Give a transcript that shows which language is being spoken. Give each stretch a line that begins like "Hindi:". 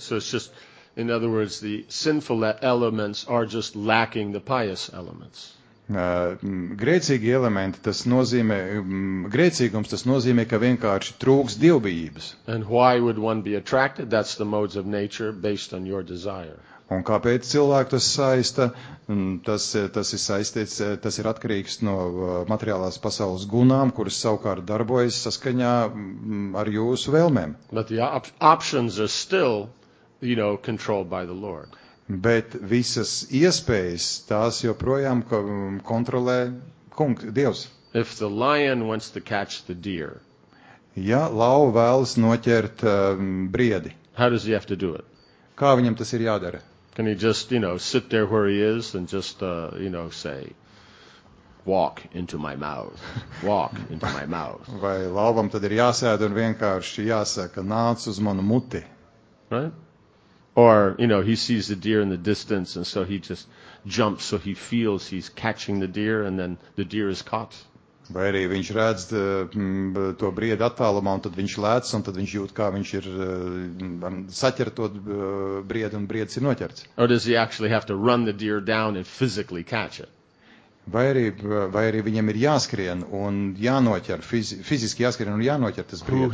English: So it's just, in other words, the sinful elements are just lacking the pious elements.
Latvian: Grēcīgi elementi, tas nozīmē, grēcīgums, tas nozīmē, ka vienkārši trūks dievbijības.
English: And why would one be attracted? That's the modes of nature based on your desire.
Latvian: Un kāpēc cilvēku tas saista, tas ir saistīts, tas ir atkarīgs no materiālās pasaules gunām, kuras savukārt darbojas saskaņā ar jūsu vēlmēm.
English: But the options are still, you know, controlled by the Lord.
Latvian: Bet visas iespējas, tās joprojām kontrolē kungs, Dievs.
English: If the lion wants to catch the deer.
Latvian: Ja lau vēlas noķert briedi.
English: How does he have to do it?
Latvian: Kā viņam tas ir jādara?
English: Can he just, you know, sit there where he is and just, you know, say, walk into my mouth, walk into my mouth.
Latvian: Vai lauvam tad ir jāsēd un vienkārši jāsaka, nāc uz manu muti.
English: Right? Or, you know, he sees the deer in the distance and so he just jumps so he feels he's catching the deer and then the deer is caught.
Latvian: Vai arī viņš redz to briedu attālumā, un tad viņš lēc, un tad viņš jūt, kā viņš ir saķertot briedu, un briedis ir noķerts.
English: Or does he actually have to run the deer down and physically catch it?
Latvian: Vai arī viņam ir jāskrien un jānoķer, fiziski jāskrien un jānoķer tas briedis?